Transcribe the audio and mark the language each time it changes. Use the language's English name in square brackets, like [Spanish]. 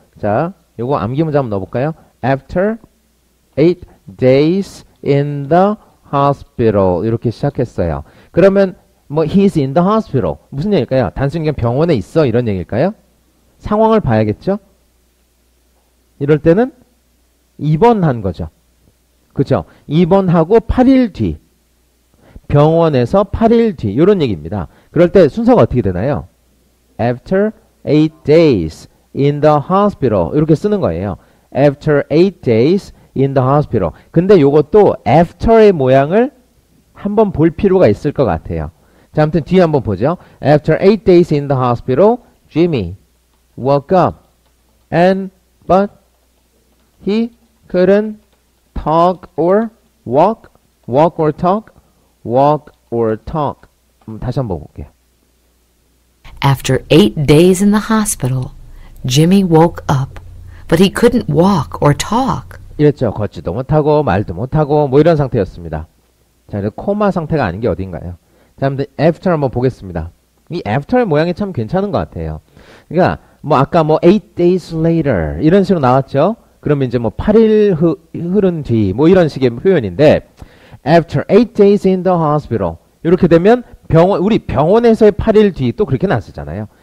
[Korean] 자, 요거 암기 문제 한번 넣어볼까요? [English] After 8 days in the hospital. [Korean] 이렇게 시작했어요. 그러면, 뭐, [English] he's in the hospital. [Korean] 무슨 얘기일까요? 단순히 그냥 병원에 있어. 이런 얘기일까요? 상황을 봐야겠죠? 이럴 때는 입원한 거죠. 그죠? 입원하고 8일 뒤. 병원에서 8일 뒤. 이런 얘기입니다. 그럴 때 순서가 어떻게 되나요? [English] After 8 days in the hospital. [Korean] 이렇게 쓰는 거예요. [English] After 8 days in the hospital. [Korean] 근데 이것도 after의 모양을 한번 볼 필요가 있을 것 같아요. 자, 아무튼 뒤에 한번 보죠. [English] After 8 days in the hospital, Jimmy woke up and but he couldn't talk or walk, walk or talk, walk or talk. [Korean] 다시 한번 볼게요. [English] After 8 days in the hospital, Jimmy woke up, but he couldn't walk or talk. [Korean] 이랬죠. 걷지도 못하고 말도 못하고 뭐 이런 상태였습니다. 자, 이제 코마 상태가 아닌 게 어딘가요? 자, 아무튼 after 한번 보겠습니다. 이 after 모양이 참 괜찮은 것 같아요. 그러니까 뭐 아까 뭐 8 days later 이런 식으로 나왔죠. 그러면 이제 뭐 8일 흐른 뒤뭐 이런 식의 표현인데 [English] after 8 days in the hospital [Korean] 이렇게 되면 병원 우리 병원에서의 8일 뒤또 그렇게 나왔었잖아요.